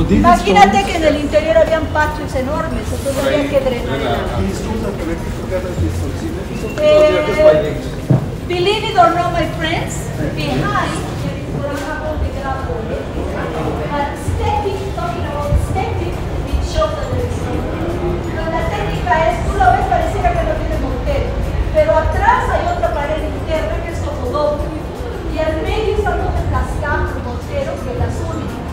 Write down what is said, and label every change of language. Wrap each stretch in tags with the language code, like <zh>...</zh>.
<es>Imagínate que en el interior habían patios enormes, entonces había que drenar.</es> <en>Believe it or not, my friends, behind there is Urubamba the gravel. But stepping, talking about stepping, it shows that there is something.</en> <es>Pero la técnica es, tú lo ves, pareciera que no tiene mortero. Pero atrás hay otra pared interna que es como doble. Y al medio es algo de cascado, un mortero que las une.</es>